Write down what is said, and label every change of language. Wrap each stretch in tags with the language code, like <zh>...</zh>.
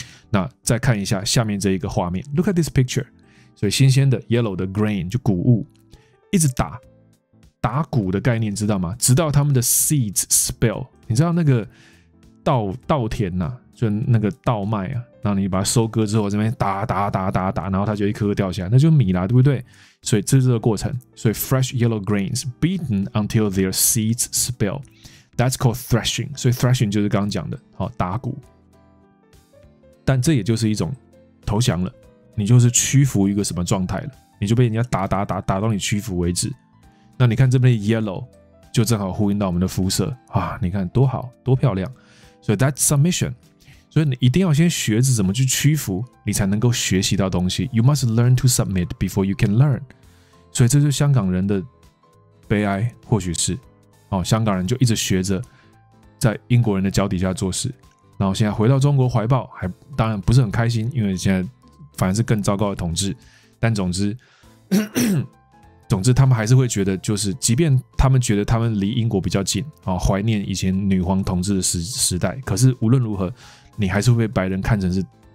<zh>那再看一下下面这一个画面 ，</zh> <en>Look at this picture。</en> <zh>所以新鲜的 yellow 的 grain 就谷物，一直打谷的概念知道吗？直到他们的</zh> <en>seeds spill，</en> <zh>你知道那个稻田呐、啊，就那个稻麦啊，然后你把它收割之后，这边打打打打打，然后它就一颗颗掉下来，那就米啦，对不对？所以这是个过程，所以</zh> <en>fresh yellow grains beaten until their seeds spill， that's called threshing。</en> <zh>所以 threshing 就是刚刚讲的打鼓，但这也就是一种投降了，你就是屈服一个什么状态了，你就被人家打打打打到你屈服为止。那你看这边 yellow 就正好呼应到我们的肤色啊，你看多好多漂亮。</zh> <en>所以 that's submission。</en> <zh>所以你一定要先学着怎么去屈服，你才能够学习到东西。</zh> <en>You must learn to submit before you can learn。</en> <zh>所以这就是香港人的悲哀，或许是香港人就一直学着在英国人的脚底下做事，然后现在回到中国怀抱，还当然不是很开心，因为现在反而是更糟糕的统治，但总之他们还是会觉得，就是即便他们觉得他们离英国比较近啊，怀念以前女皇统治的时代，可是无论如何你还是会被白人看成是</zh>